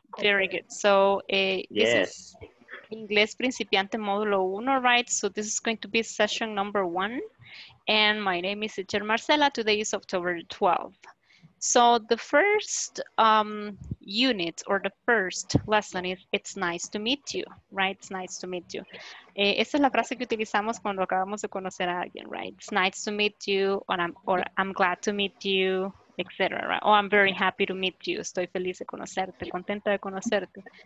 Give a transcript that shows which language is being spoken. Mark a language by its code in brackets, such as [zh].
[en] Very good. So this is Inglés Principiante Módulo 1, right? So this is going to be session number 1. And my name is Teacher Marcela. Today is October 12th. So the first unit or the first lesson is it's nice to meet you, right? It's nice to meet you. [es] Esa es la frase que utilizamos cuando acabamos de conocer a alguien, right? [en] It's nice to meet you, or I'm glad to meet you, etc. Right? Or I'm very happy to meet you. [es] Estoy feliz de conocerte, contenta de conocerte.